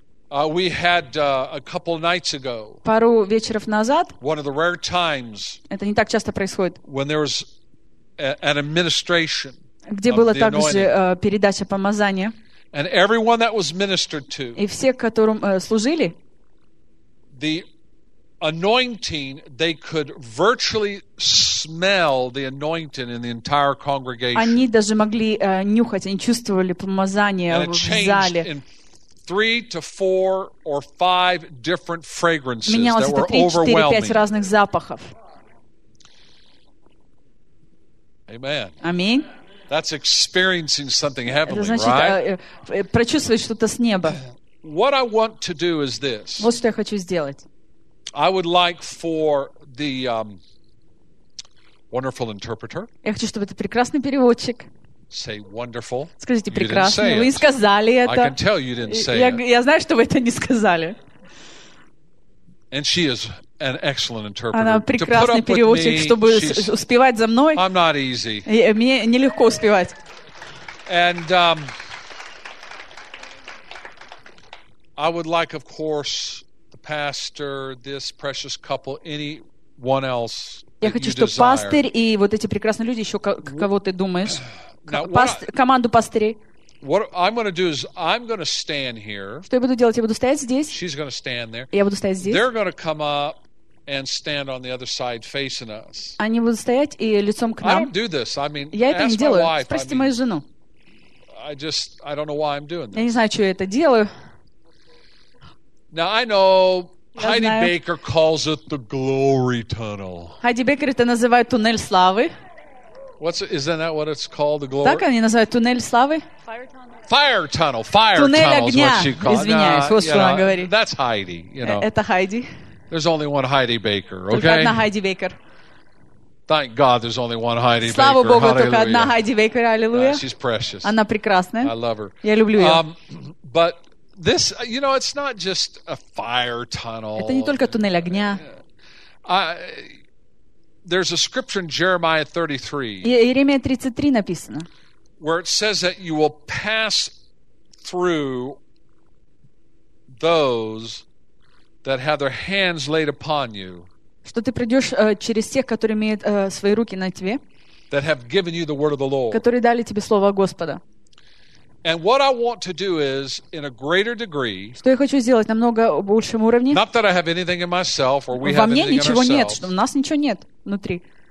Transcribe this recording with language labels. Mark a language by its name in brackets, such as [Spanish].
[English] We had a couple nights ago. [Russian] Пару вечеров назад. [English] One of the rare times. [Russian] Это не так часто происходит. [English] When there was an administration. [Russian] Где было также передача помазания. [English] And everyone that was ministered to. [Russian] И все, которым служили. [English] The anointing, they could virtually smell the anointing in the entire congregation. [Russian] Они даже могли нюхать, они чувствовали помазание в зале. [English] In 3 to 4 or 5 different fragrances that were overwhelming. [Russian] 3-5 разных запахов. [English] Amen. Amen. That's experiencing something heavenly, [Russian] это значит, [English] right? [Russian] Прочувствовать что-то с неба. [English] What I want to do is this. [Russian] Вот что я хочу сделать. [English] I would like for the wonderful interpreter. [Russian] Я хочу, чтобы этот прекрасный переводчик [English] Say wonderful. [Russian] Скажите прекрасно. Вы сказали это. [English] I can tell you didn't say it. [Russian] Я знаю, что вы это не сказали. [English] And she is an excellent interpreter. [Russian] Она прекрасный переводчик, чтобы успевать за мной. [English] I'm not easy. [Russian] Мне нелегко успевать. [English] And I would like, of course, the pastor, this precious couple, anyone else. [Russian] Я хочу, чтобы пастор и вот эти прекрасные люди еще кого ты думаешь? Команду пастырей. [English] What I'm going to do is I'm going to stand here. [Russian] Что я буду делать? Я буду стоять здесь. [English] She's going to stand there. [Russian] Я буду стоять здесь. [English] They're going to come up and stand on the other side facing us. [Russian] Они будут стоять и лицом к нам. [English] I don't do this. I mean, [Russian] я это не делаю. Спросите мою жену. [English] I don't know why I'm doing this. [Russian] Я не знаю, что я это делаю. [English] Now I know Heidi Baker calls it the glory tunnel. [Russian] Heidi Baker это называет туннель славы. [English] Isn't that what it's called, the glory? [Russian] Так они называют туннель славы? [English] Fire tunnel. Fire tunnel. Fire tunnel is what she calls. [Russian] Извиняюсь, вот что она говорит. [English] That's Heidi. You know. [Russian] Это Heidi. [English] There's only one Heidi Baker. Okay. [Russian] Только одна Heidi Baker. [English] Thank God, there's only one Heidi Baker. [Russian] Слава Богу, только одна Heidi Baker. Аллилуйя. [English] She's precious. [Russian] Она прекрасная. [English] I love her. [Russian] Я люблю ее. [English] But this, you know, it's not just a fire tunnel. [Russian] Это не только туннель огня. [English] There's a scripture in Jeremiah 33. [Russian] Иеремия 33 написано. [English] Where it says that you will pass through those that have their hands laid upon you. [Russian] Что ты пройдешь через тех, которые имеют свои руки на тебе. [English] That have given you the word of the Lord. [Russian] Которые дали тебе слово Господа. [English] And what I want to do is, in a greater degree. [Russian] Что я хочу сделать на много большем уровне. [English] Not that I have anything in myself, or we have anything in ourselves. [Russian] Во мне ничего нет, что у нас ничего нет внутри.